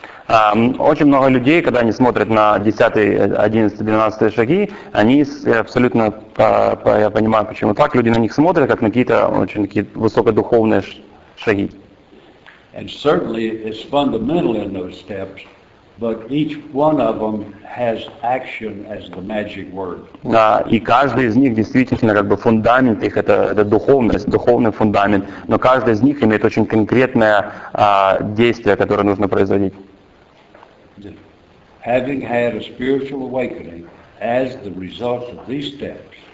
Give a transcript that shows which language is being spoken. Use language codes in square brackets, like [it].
[ru] Очень много людей, когда они смотрят на 10, 11, 12 шаги, они абсолютно, я понимаю, почему так, люди на них смотрят, как на какие-то очень такие высокодуховные шаги. [en] And certainly it's fundamental in those steps, but each one of them has action as the magic word. [ru] Да, и каждый из них действительно как бы фундамент их, это духовность, духовный фундамент, но каждый из них имеет очень конкретное действие, которое нужно производить. [en] Having had a spiritual awakening as the result of these steps.